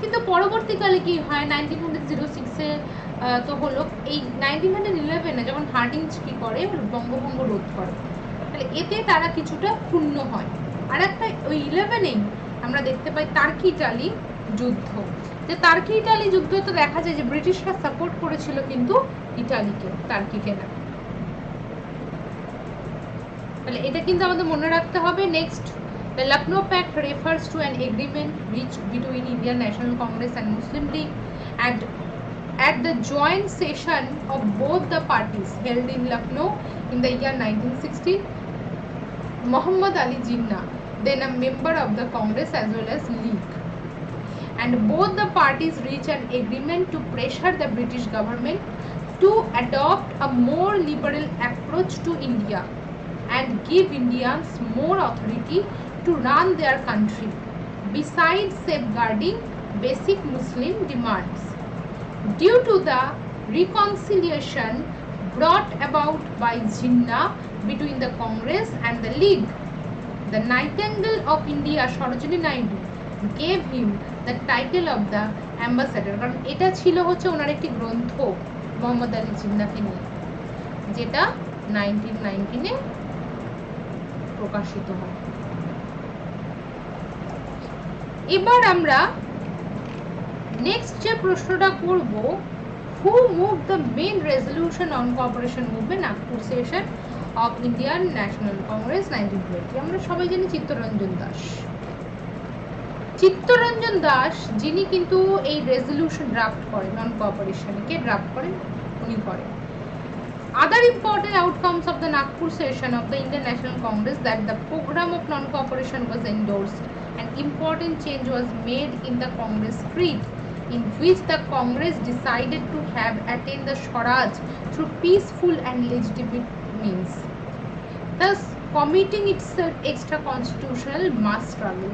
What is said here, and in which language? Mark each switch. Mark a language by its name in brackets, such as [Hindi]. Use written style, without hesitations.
[Bangla] পরবর্তীকালে কি হয়, 1906-এ তো হলো, এই 1911-এ যখন হার্ডিঞ্জ কি করে, বঙ্গভঙ্গ রোধ করে, তাহলে এতে তারা কিছুটা ক্ষুণ্ণ হয়। আর একটা ওই 11-এই আমরা দেখতে পাই তার্কি ইটালি যুদ্ধ, যে তার্কি ইটালি যুদ্ধ তো দেখা যায় যে ব্রিটিশরা সাপোর্ট করেছিল কিন্তু ইটালিকে, তার্কিকে না। তাহলে এটা কিন্তু আমাদের মনে রাখতে হবে। [English] Next, The Lucknow Pact refers to an agreement reached between Indian National Congress and Muslim League at the joint session of both the parties held in Lucknow in the year 1916. Muhammad Ali Jinnah, then a member of the Congress as well as League, and both the parties reached an agreement to pressure the British government to adopt a more liberal approach to India and give Indians more authority to run their country besides safeguarding basic Muslim demands. Due to the reconciliation brought about by Jinnah between the Congress and the League, the Nightingale of India Sarojini Naidu gave him the title of the ambassador. [Bangla] কারণ এটা ছিল হচ্ছে ওনার একটি গ্রন্থ মোহাম্মদ আলী জিন্নাকে নিয়ে, যেটা 1919-এ প্রকাশিত হয়। এবার আমরা নেক্সট যে প্রশ্নটা করব, [English] Who move the main resolution on cooperation movement Nagpur session of Indian National Congress 1920। [Bangla] আমরা সবাই জানি চিত্তরঞ্জন দাস, চিত্তরঞ্জন দাস যিনি কিন্তু এই রেজলিউশন ড্রাফট করেন, অন কোঅপারেশনকে ড্রাফট করেন, উনি করেন। [English] other important outcomes of the Nagpur session of the Indian National Congress that the program of non-cooperation was endorsed. An important change was made in the Congress creed, in which the Congress decided to have attained the Swaraj through peaceful and legitimate means, thus committing itself extra constitutional mass struggle.